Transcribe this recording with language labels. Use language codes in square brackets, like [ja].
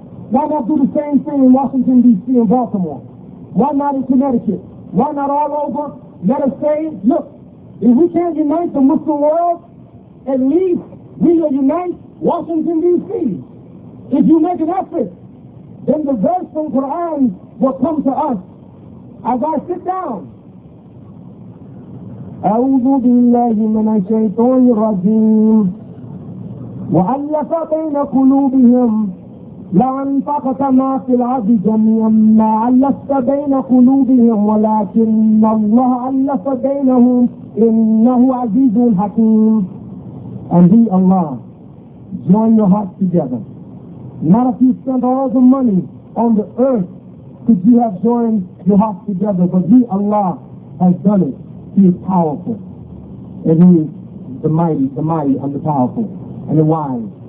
[en] Why not do the same thing in Washington, D.C. and Baltimore? Why not in Connecticut? Why not all over? Let us say, look, if we can't unite the Muslim world, at least we will unite Washington, D.C. If you make an effort, then the verse from Quran will come to us. As I sit down, [ar] أعوذ بالله من الشيطان الرجيم وألف بين قلوبهم لو انفقت ما في الأرض جميعا ما ألفت بين قلوبهم ولكن الله ألف بينهم إنه عزيز حكيم. [en] And he, Allah, join your hearts together. Not if you spend all the money on the earth could you have joined your hearts together, but he, Allah, has done it. He is powerful, and he is the mighty and the powerful, and the wise.